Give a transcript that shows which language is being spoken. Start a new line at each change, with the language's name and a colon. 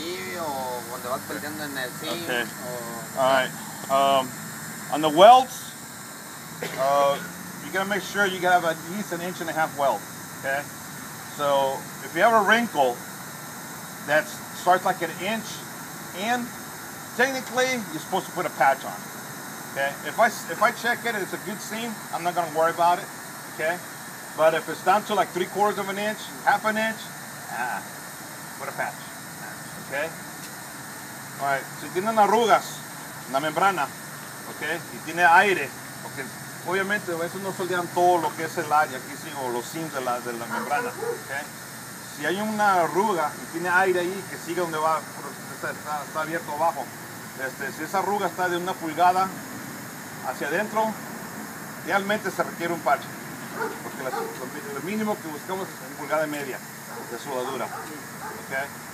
Spanish: Ahí, o donde vas perdiendo en el zinc.
English: Okay. All right. On the welds, you gotta make sure you gotta have at least an inch and a half weld. Okay. So if you have a wrinkle that starts like an inch, and technically you're supposed to put a patch on. Okay. If I check it, it's a good seam. I'm not gonna worry about it. Okay. But if it's down to like 3/4 of an inch, half an inch, put a patch. Okay. All right.
Spanish: Si tienen arrugas en la membrana, okay, y tiene aire, okay. Obviamente, a veces no soldean todo lo que es el área, aquí sí, o los seams de la membrana, okay. Si hay una arruga y tiene aire ahí, que sigue donde va, está abierto abajo, si esa arruga está de una pulgada hacia adentro, realmente se requiere un patch, porque lo mínimo que buscamos es 1.5 pulgadas de soldadura, okay.